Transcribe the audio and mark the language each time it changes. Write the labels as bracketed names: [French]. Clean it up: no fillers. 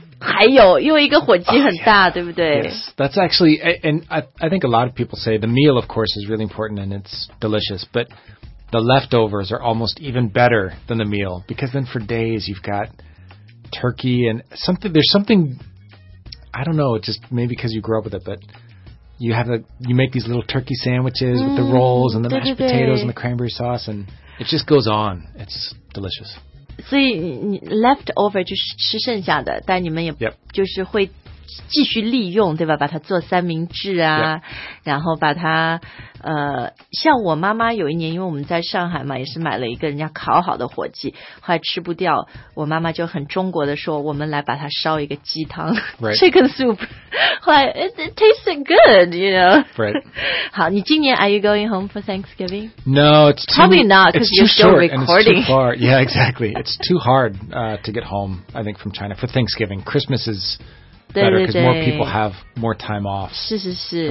[Chinese] 还有又一个火鸡很大、对不对 [English] Yes, that's actually, and I think a lot of people say the meal, of course, is really important and it's delicious, but the leftovers are almost even better than the meal, because then for days you've got turkey and something, there's something, I don't know, just maybe because you grew up with it, but... You have you make these little turkey sandwiches with the rolls and the mashed potatoes and the cranberry sauce, and it just goes on. It's delicious. [Chinese] So, leftover 就是吃剩下的，但你们也就是会继续利用，对吧？把它做三明治啊，然后把它像我妈妈有一年，因为我们在上海嘛，也是买了一个人家烤好的火鸡，后来吃不掉，我妈妈就很中国的说，我们来把它烧一个鸡汤 ， chicken soup。 [English] 后来 it tasted good, you know. Right. 好，你今年 are you going home for Thanksgiving? No, it's too, probably not because you're still recording. It's too far. Yeah, exactly. It's too hard to get home. I think from China for Thanksgiving, Christmas is. Better, because more people have more time off [Chinese] 是